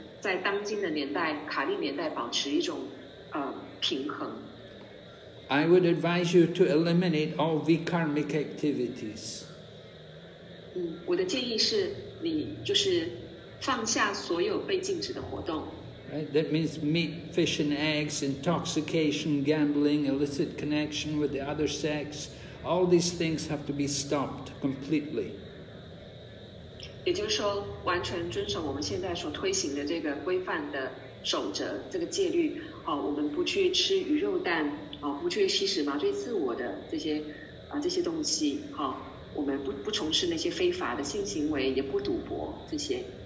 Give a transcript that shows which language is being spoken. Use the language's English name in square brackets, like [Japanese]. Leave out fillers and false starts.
[Chinese] 在当今的年代，卡利年代，保持一种平衡。 [English] I would advise you to eliminate all vikarmic activities. [Chinese] 我的建议是你就是放下所有被禁止的活动。 [English] Right, that means meat, fish and eggs, intoxication, gambling, illicit connection with the other sex. All these things have to be stopped completely. [Chinese] 也就是说完全遵守我们现在所推行的这个规范的守则这个戒律我们不去吃鱼肉蛋不去吸食麻醉自我的这些东西我们不从事那些非法的性行为也不赌博这些